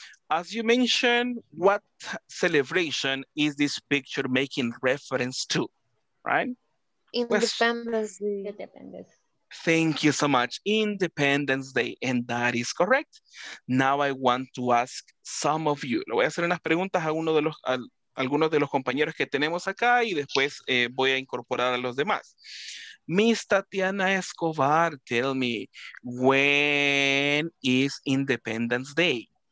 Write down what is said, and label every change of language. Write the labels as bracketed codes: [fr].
[en] As you mentioned, what celebration is this picture making reference to, right? Independence. Thank you so much. Independence Day. And that is correct. Now I want to ask some of you. [es] Le voy a hacer unas preguntas a uno de los, algunos de los compañeros que tenemos acá y después voy a incorporar a los demás. [en] Miss Tatiana Escobar, tell me, when is Independence Day?